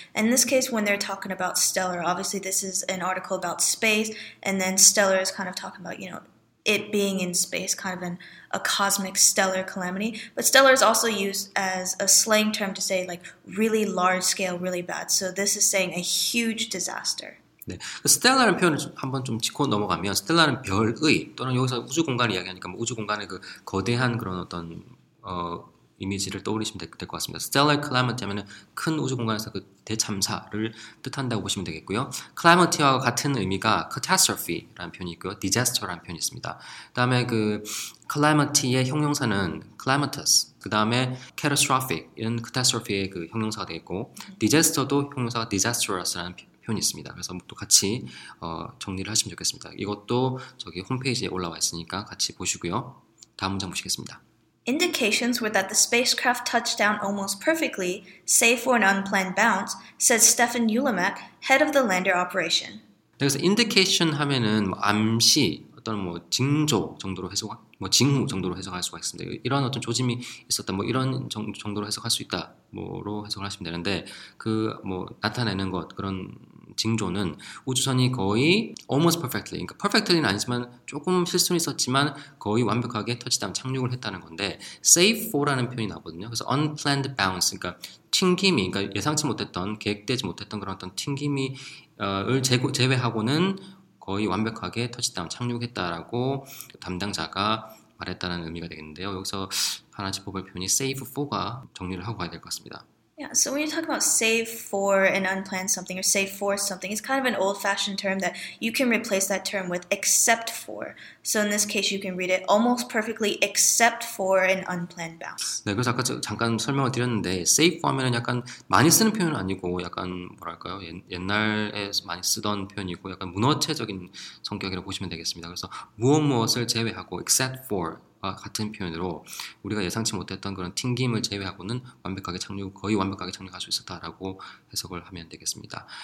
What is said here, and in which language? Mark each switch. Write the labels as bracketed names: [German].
[English] And in this case, when they're talking about stellar, obviously this is an article about space, and then stellar is kind of talking about, you know, it being in space, kind of a cosmic stellar calamity. But stellar is also used as a slang term to say like really large scale, really bad. So this is saying a huge disaster. [Korean] 네. 그 스텔라라는 표현을 좀, 한번 좀 짚고 넘어가면 스텔라는 별의 또는 여기서 우주 공간을 이야기하니까 뭐 우주 공간의 그 거대한 그런 어떤 이미지를 떠올리시면 될 것 같습니다. Stellar calamity 하면은 큰 우주 공간에서 그 대참사를 뜻한다고 보시면 되겠고요. calamity와 같은 의미가 catastrophe라는 표현이 있고요. disaster라는 표현이 있습니다. 그다음에 그 calamity의 형용사는 calamitous, 그다음에 catastrophic 이런 catastrophe의 그 형용사가 되겠고 disaster도 형용사가 disastrous라는 표현이 있습니다. 그래서 또 같이 정리를 하시면 좋겠습니다. 이것도 저기 홈페이지에 올라와 있으니까 같이 보시고요. 다음 문장 보시겠습니다. [English] Indications were that the spacecraft touched down almost perfectly, save for an unplanned bounce, said Stefan Ulemak, head of the lander operation. [Korean] 그래서 indication 하면은 뭐 암시 어떤 뭐 징조 정도로 해석 뭐 징후 정도로 해석할 수가 있습니다. 이런 어떤 조짐이 있었다 뭐 이런 정도로 해석할 수 있다. 뭐로 해석을 하시면 되는데 그 뭐 나타내는 것 그런 징조는 우주선이 거의 [English] almost perfectly, [Korean] 그러니까 perfectly는 아니지만 조금 실수는 있었지만 거의 완벽하게 터치다운 착륙을 했다는 건데 save for라는 표현이 나오거든요. 그래서 [English] unplanned bounce, [Korean] 그러니까 튕김이, 그러니까 예상치 못했던, 계획되지 못했던 그런 어떤 튕김이를 제외하고는 거의 완벽하게 터치다운 착륙했다라고 담당자가 말했다는 의미가 되겠는데요. 여기서 하나 짚어볼 표현이 save for가 정리를 하고 가야 될 것 같습니다. [English] Yeah, so when you talk about save for an unplanned something or save for something, it's kind of an old-fashioned term that you can replace that term with except for. So in this case, you can read it almost perfectly except for an unplanned bounce. [Korean] 네, 그래서 아까 잠깐 설명을 드렸는데 save for 하면은 약간 많이 쓰는 표현은 아니고 약간 뭐랄까요? 옛날에 많이 쓰던 표현이고 약간 문어체적인 성격이라고 보시면 되겠습니다. 그래서 무엇무엇을 제외하고 except for 같은 표현으로 우리가 예상치 못했던 그런 튕김을 제외하고는 완벽하게 착륙, 거의 완벽하게 착륙할 수 있었다라고 해석을 하면 되겠습니다.